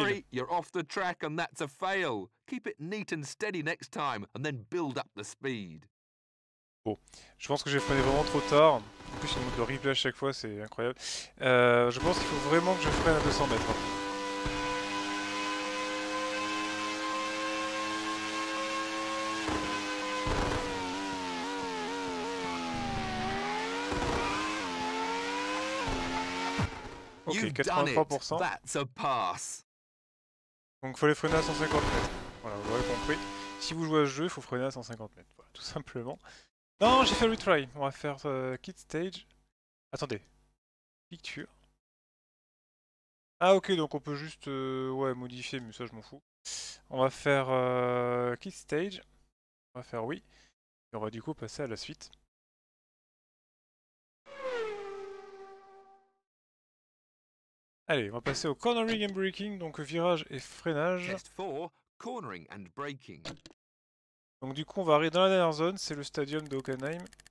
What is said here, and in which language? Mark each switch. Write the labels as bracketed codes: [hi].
[en] Sorry, you're off the track and that's a fail. Keep it neat and steady next time and then build up the speed. [fr] Bon, je pense que j'ai freiné vraiment trop tard. En plus, il me le replay à chaque fois, c'est incroyable. Je pense qu'il faut vraiment que je freine à 200 mètres. Ok, 83%. [en] That's a pass. [fr] Donc il fallait freiner à 150 mètres. Voilà, vous avez compris. Si vous jouez à ce jeu, il faut freiner à 150 mètres. Voilà, tout simplement. Non, j'ai fait retry. On va faire kit stage. Attendez. Picture. Ah ok, donc on peut juste ouais, modifier, mais ça je m'en fous. On va faire kit stage. On va faire oui. Et on va du coup passer à la suite. Allez, on va passer au [en] cornering and braking, [fr] donc virage et freinage. [en] Test 4, cornering and braking. [fr] Donc du coup, on va arriver dans la dernière zone, c'est le stadium de Hockenheim.